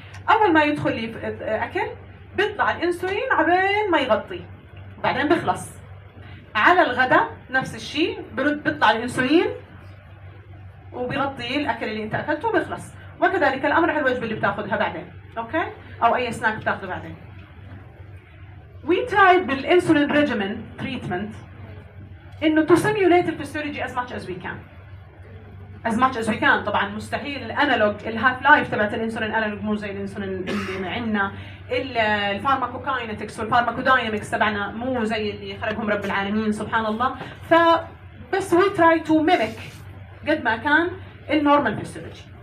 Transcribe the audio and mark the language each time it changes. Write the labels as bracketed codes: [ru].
[ar] اول ما يدخل لي اكل بيطلع الانسولين عبين ما يغطي، بعدين بيخلص. على الغداء نفس الشيء، برد بيطلع الانسولين وبيغطي الاكل اللي انت اكلته وبيخلص، وكذلك الامر على الوجبه اللي بتاخذها بعدين، اوكي، او اي سناك بتاخذه بعدين. [en] We tried the insulin regimen treatment in to simulate the physiology as much as we can. as much as we can. [ar] طبعا مستحيل الانالوج الهاف لايف تبعت الانسولين انالوج مو زي الانسولين اللي معنا. الفارماكوكاينتكس والفارماكوداينامكس تبعنا مو زي اللي خلقهم رب العالمين سبحان الله. ف بس [en] we try to mimic [ar] قد ما كان النورمال فيسيولوجي.